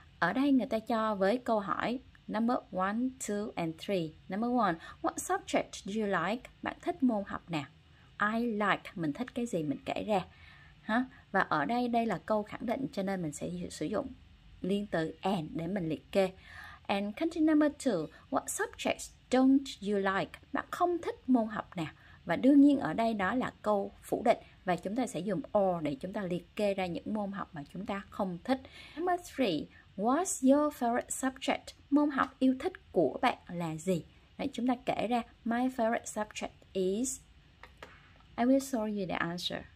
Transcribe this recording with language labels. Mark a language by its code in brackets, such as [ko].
[vi] Ở đây người ta cho với câu hỏi number 1, 2 and 3. [en] Number 1, what subject do you like? [vi] Bạn thích môn học nào? [en] I like, [vi] mình thích cái gì mình kể ra. Ha? Và ở đây đây là câu khẳng định cho nên mình sẽ sử dụng liên từ and để mình liệt kê. [en] And continue number 2, what subjects don't you like? [vi] Bạn không thích môn học nào? Và đương nhiên ở đây đó là câu phủ định và chúng ta sẽ dùng or để chúng ta liệt kê ra những môn học mà chúng ta không thích. [en] Number 3, what's your favorite subject? [vi] Môn học yêu thích của bạn là gì? Đấy, chúng ta kể ra [en] my favorite subject is. I will show you the answer.